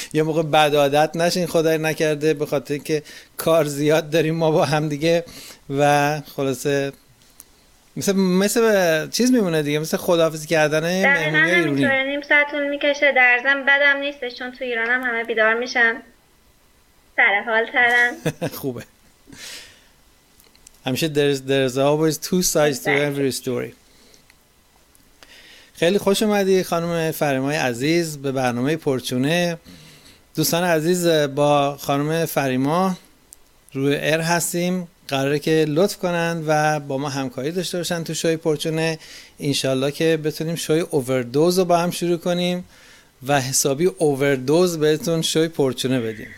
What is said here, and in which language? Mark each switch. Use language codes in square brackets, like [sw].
[fa] یه موقع بد عادت نشین خدای نکرده، به خاطر اینکه کار زیاد داریم ما با هم دیگه و خلاصه مثل چیز میمونه دیگه، مثل خداحافظی کردن مهمونی ایرونی. همینطوره، نیم ساعتون میکشه، درزم بدم نیست چون تو ایرانم همه بیدار میشن سر حال ترن. خوبه همیشه [en] there's always two sides to every story. [fa] خیلی خوش اومدی خانم فریما عزیز به برنامه پرچونه. دوستان عزیز، با خانم فریما روی ایر هستیم، قراره که لطف کنند و با ما همکاری داشته باشن تو شوی پرچونه. انشالله که بتونیم شوی اووردوز رو با هم شروع کنیم و حسابی اووردوز بهتون شوی پرچونه بدیم.